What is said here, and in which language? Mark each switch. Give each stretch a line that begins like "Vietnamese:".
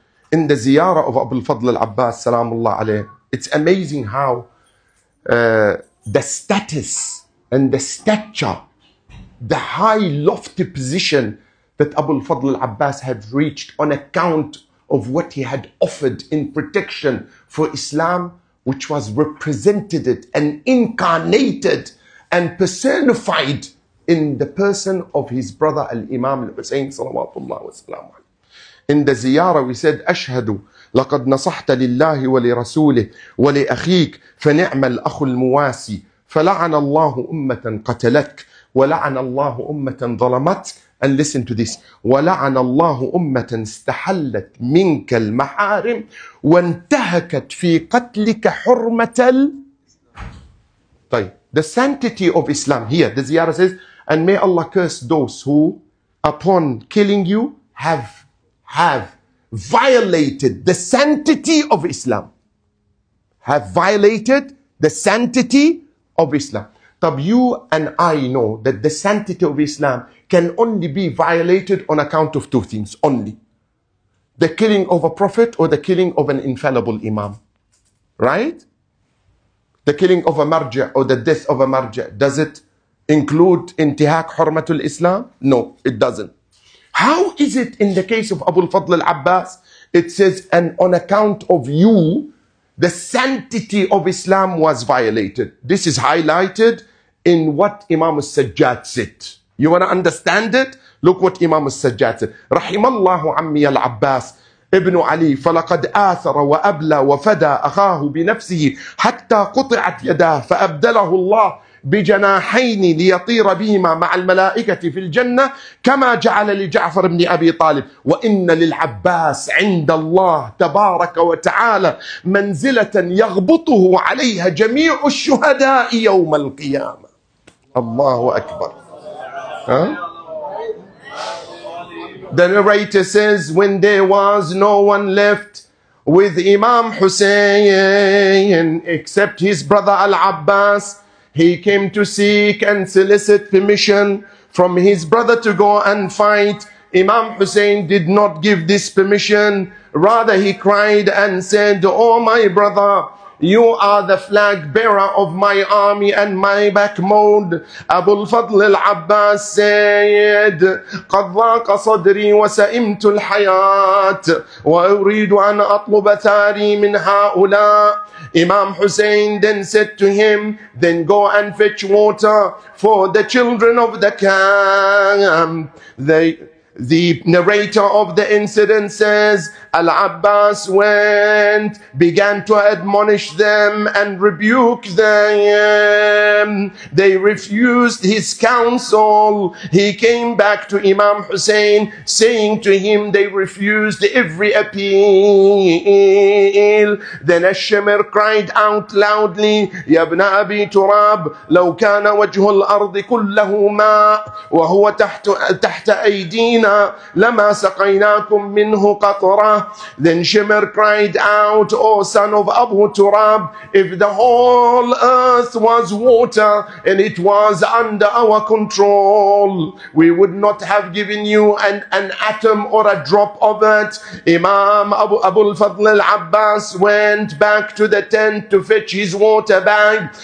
English: In the ziyarah of Abu al-Fadl al-Abbas, salamullah alayhi, it's amazing how the status and the stature, the high lofty position that Abu al-Fadl al-Abbas had reached on account of what he had offered in protection for Islam, which was represented and incarnated and personified in the person of his brother al-Imam al-Husayn salawatullah wa salam. In the ziyarah we said, Ashhadu.
Arabic: لقد نصحت لله ولرسوله ولأخيك فنعم الأخ المواسي فلعن الله أمة قتلتك ولعن الله أمة ظلمتك.
English: And listen to this.
Arabic: ولعن الله أمة استحلت منك المحارم وانتهكت في قتلك حرمة ال... طيب.
English: The sanctity of Islam. Here the ziyarah says, and may Allah curse those who upon killing you have violated the sanctity of Islam. Have violated the sanctity of Islam.
Arabic: طب
English: you and I know that the sanctity of Islam can only be violated on account of two things only. The killing of a prophet or the killing of an infallible imam. Right? The killing of a marja or the death of a marja, does it include
Arabic: intihak hurmatul Islam?
English: No, it doesn't. How is it in the case of Abu al-Fadl al-Abbas? It says, and on account of you, the sanctity of Islam was violated. This is highlighted in what Imam al-Sajjad said. You want to understand it? Look what Imam al-Sajjad said.
Arabic: Rahimallahu ammi al-Abbas. ابن علي فلقد آثر وأبلى وفدى أخاه بنفسه حتى قطعت يداه فأبدله الله بجناحين ليطير بهما مع الملائكة في الجنة كما جعل لجعفر بن أبي طالب وإن للعباس عند الله تبارك وتعالى منزلة يغبطه عليها جميع الشهداء يوم القيامة. الله أكبر.
English: The narrator says, when there was no one left with Imam Hussein except his brother Al-Abbas, he came to seek and solicit permission from his brother to go and fight. Imam Hussein did not give this permission. Rather, he cried and said, oh, my brother, you are the flag bearer of my army and my backbone. Abu al-Fadl al-Abbas said,
Arabic: قَدْ ضَاقَ صَدْرِي وَسَئِمْتُ الْحَيَاةِ وَأُرِيدُ أَنْ أَطْلُبَ ثَارِي مِنْ هَؤُلَاءِ.
English: Imam Hussein then said to him, then go and fetch water for the children of the camp. The narrator of the incident says, Al-Abbas went, began to admonish them and rebuke them. They refused his counsel. He came back to Imam Hussein, saying to him, they refused every appeal. Then Ash-Shamir cried out loudly,
Arabic: يا ابن أبي تراب لو كان وجه الأرض كله ماء وهو تحت أيدينا لما سقيناكم منه قطرة.
English: Then Shimmer cried out, O son of Abu Turab, if the whole earth was water and it was under our control, we would not have given you an atom or a drop of it. Imam Abu al-Fadl al-Abbas went back to the tent to fetch his water bag.